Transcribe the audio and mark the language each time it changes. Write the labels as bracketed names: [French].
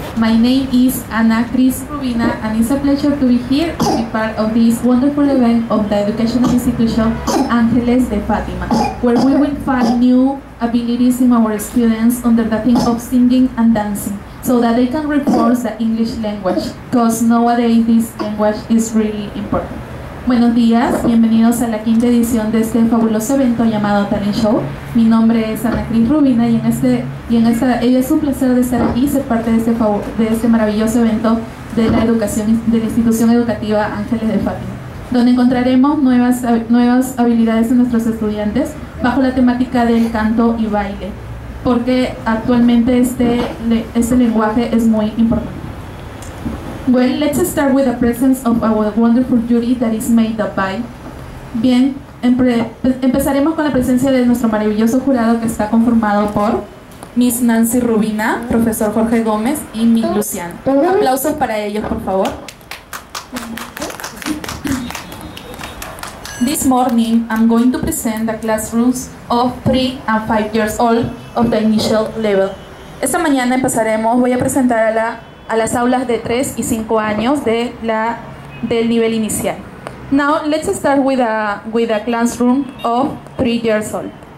[English] My name is Anna Cris Rubina, and it's a pleasure to be here to be part of this wonderful event of the educational institution Angeles de Fátima, where we will find new abilities in our students under the theme of singing and dancing, so that they can reinforce the English language, because nowadays this language is really important. [Spanish] Buenos días, bienvenidos a la quinta edición de este fabuloso evento llamado Talent Show. Mi nombre es Ana Cris Rubina y es un placer de estar aquí y ser parte de este maravilloso evento de la educación de la institución educativa Ángeles de Fátima, donde encontraremos nuevas habilidades de nuestros estudiantes bajo la temática del canto y baile, porque actualmente este lenguaje es muy importante. [English] Well, let's start with the presence of our wonderful jury that is made up by. [Spanish] Bien, empezaremos con la presencia de nuestro maravilloso jurado que está conformado por Miss Nancy Rubina, Profesor Jorge Gómez y Miss Luciana. Aplausos para ellos, por favor. [English] This morning, I'm going to present the classrooms of 3 and 5 years old of the initial level. [Spanish] Esta mañana empezaremos, voy a presentar a las aulas de 3 y 5 años del nivel inicial. [English] Now, let's start with a classroom of 3 years old.